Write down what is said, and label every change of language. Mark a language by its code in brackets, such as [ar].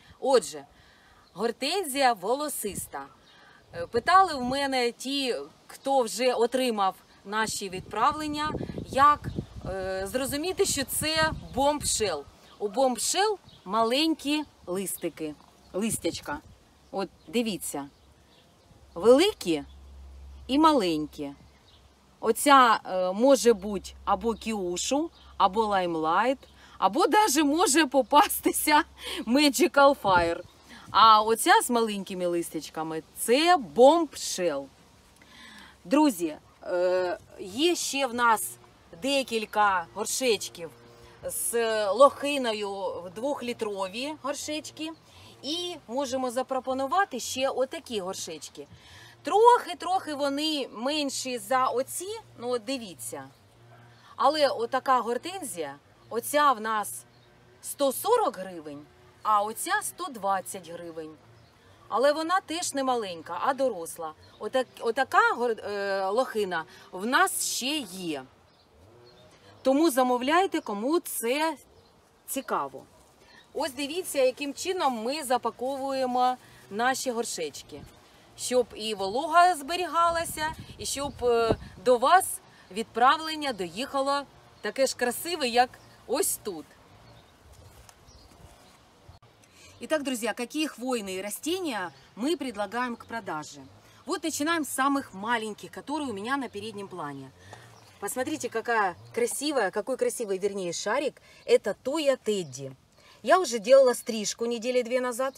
[uk] Отже, гортензія волосиста. Питали в мене ті, хто вже отримав наші відправлення, як зрозуміти, що це бомбшел. У бомбшел маленькі листики, листячка. От дивіться, великі і маленькі. Оця може бути або кіушу, або лаймлайт, або даже може попастися Magical Fire. А оця з маленькими листочками – це бомбшел. Друзі, є ще в нас декілька горшечків з лохиною, двохлітрові горшечки. І можемо запропонувати ще отакі горшечки. Трохи-трохи вони менші за оці, ну от дивіться. Але отака гортензія, оця в нас 140 гривень. А оця 120 гривень. Але вона теж не маленька, а доросла. Отака лохина в нас ще є. Тому замовляйте, кому це цікаво. Ось дивіться, яким чином ми запаковуємо наші горшечки. Щоб і волога зберігалася, і щоб до вас відправлення доїхало таке ж красиве, як ось тут. [ru] Итак, друзья, какие хвойные растения мы предлагаем к продаже? Вот начинаем с самых маленьких, которые у меня на переднем плане. Посмотрите, какая красивая, какой красивый, вернее, шарик. Это Тоя Тедди. Я уже делала стрижку недели две назад.